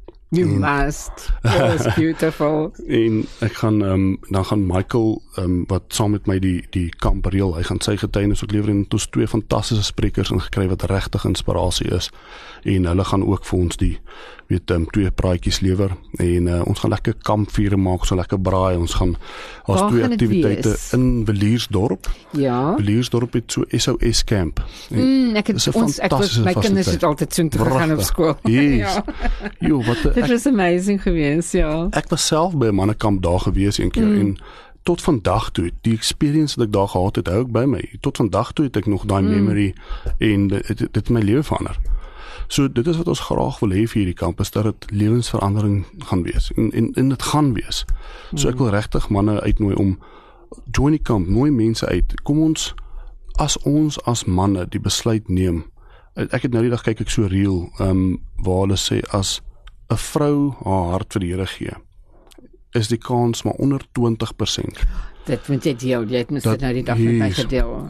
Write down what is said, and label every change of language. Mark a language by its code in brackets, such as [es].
[en] You must. It was beautiful. [af] En ek gaan, dan gaan Michael, wat saam met my die kamp reël, hy gaan sy getuienis ook lewer. En het ons twee fantastische sprekers ingekry wat regtig inspirasie is. En hulle gaan ook vir ons twee praatjies lewer. En ons gaan lekker kampvuur maak, so lekker braai. Ons gaan, as twee aktiwiteite in Villiersdorp. Ja. Villiersdorp het so SOS camp. My kinders het altyd so te gaan op school. Yes. Ja. Jo, wat dit was amazing geweest, ja. Ek was self by 'n mannekamp daar geweest een keer en tot vandag toe, die experience wat ek daar gehad het, hou ek by my. Tot vandag toe het ek nog daai memory en dit my lewe verander. So dit is wat ons graag wil hê vir hierdie kamp, is dat dit lewensverandering gaan wees en dit gaan wees. So ek wil regtig manne uitnooi om join die kamp, nooi mense uit. Kom ons, as ons as manne die besluit neem, ek het nou die dag kyk ek so reel, waar hulle sê as 'n vrou haar hart vir die Here gee, is die kans maar onder 20%. Dit moet jy deel, jy het mis dit nou die dag met my gedeel.